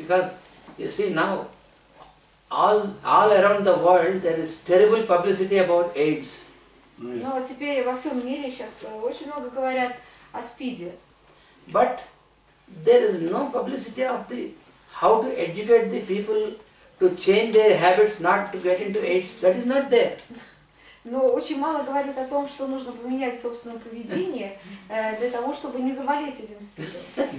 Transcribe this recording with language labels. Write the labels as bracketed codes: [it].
[en] Because you see now, all around the world there is terrible publicity about AIDS. [ru] Ну а теперь во всем мире сейчас очень много говорят о СПИДе. [en] But there is no publicity of the how to educate the people to change their habits not to get into AIDS. That is not there. [ru] Но очень мало говорит о том, что нужно поменять собственное поведение для того, чтобы не заболеть этим СПИДом.